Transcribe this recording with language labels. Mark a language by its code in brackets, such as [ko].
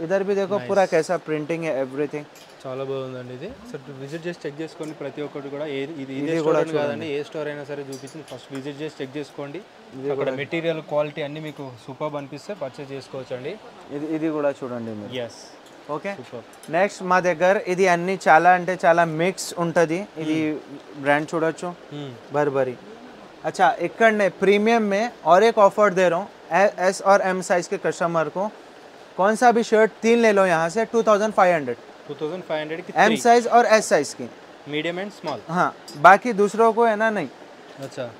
[hi] इधर भी देखो पूरा कैसा प्रिंटिंग है, एवरीथिंग [te] చాలా బాగుందండి ఇది. సో విజిట్ చేసి చెక్ చేసుకోండి ప్రతి ఒక్కటి కూడా, ఇది కూడా కాదండి ఏ స్టోర్ అయినా సరే చూపిస్తుంది. ఫస్ట్ విజిట్ చేసి చెక్ చేసుకోండి, అక్కడ మెటీరియల్ క్వాలిటీ అన్ని మీకు సూపర్ అనిపిస్తే పర్చేజ్ చేసుకోవచ్చండి. ఇది కూడా చూడండి. Yes, okay, super. నెక్స్ట్ మా దగ్గర ఇది అన్ని చాలా అంటే చాలా మిక్స్ ఉంటుంది, ఇది బ్రాండ్ చూడొచ్చు బర్బరీ. [hi] అచ్చా, ఇక్కడనే premium May are Ek offer దేరో S और एम साइज के कस्टमर को, कौन सा भी शर्ट तीन ले लो यहाँ से 2500 की एम साइज और एस साइज की, मीडियम एंड स्मॉल. हाँ, बाकी दूसरों को है ना नहीं. अच्छा,